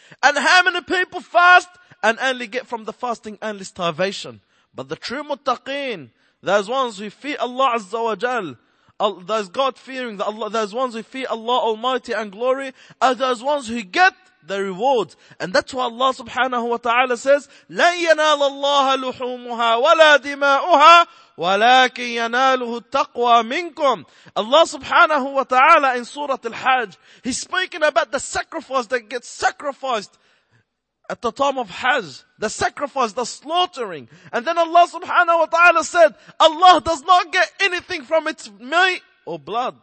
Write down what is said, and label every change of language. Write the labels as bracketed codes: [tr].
[en] And how many people fast and only get from the fasting only starvation? But the true muttaqeen, those ones who fear Allah Azza wa Jal, those God fearing, those ones who fear Allah Almighty and glory, are those ones who get the reward. And that's why Allah subhanahu wa ta'ala says, [ar] لَنْ يَنَالَ اللَّهَ لُحُومُهَا وَلَا دِمَاؤُهَا وَلَكِنْ يَنَالُهُ التَّقْوَى مِنْكُمْ. [en] Allah subhanahu wa ta'ala in Surah Al-Hajj, He's speaking about the sacrifice that gets sacrificed at the time of Hajj. The sacrifice, the slaughtering. And then Allah subhanahu wa ta'ala said, Allah does not get anything from its meat or blood.